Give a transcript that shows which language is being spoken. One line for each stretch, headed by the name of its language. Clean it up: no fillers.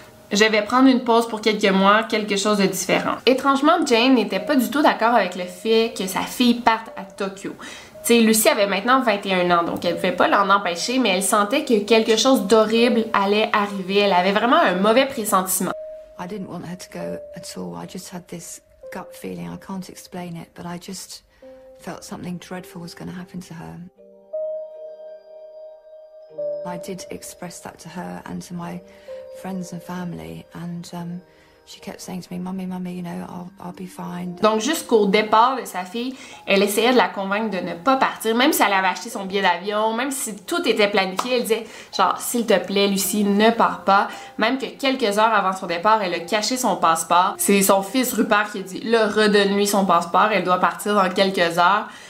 French: Je vais prendre une pause pour quelques mois, quelque chose de différent. » Étrangement, Jane n'était pas du tout d'accord avec le fait que sa fille parte à Tokyo. T'sais, Lucie avait maintenant 21 ans, donc elle pouvait pas l'en empêcher, mais elle sentait que quelque chose d'horrible allait arriver. Elle avait vraiment un mauvais pressentiment.
English: I didn't want her to go at all. I just had this gut feeling. I can't explain it, but I just felt something dreadful was going to happen to her. I did express that to her and to my friends and family, and She kept saying to me, "Mommy, mommy, you know, I'll be fine."
French: Donc jusqu'au départ de sa fille, elle essayait de la convaincre de ne pas partir, même si elle avait acheté son billet d'avion, même si tout était planifié, elle disait genre, s'il te plaît, Lucie, ne pars pas. Même que quelques heures avant son départ, elle a caché son passeport. C'est son fils Rupert qui a dit, là, redonne-lui son passeport, elle doit partir dans quelques heures.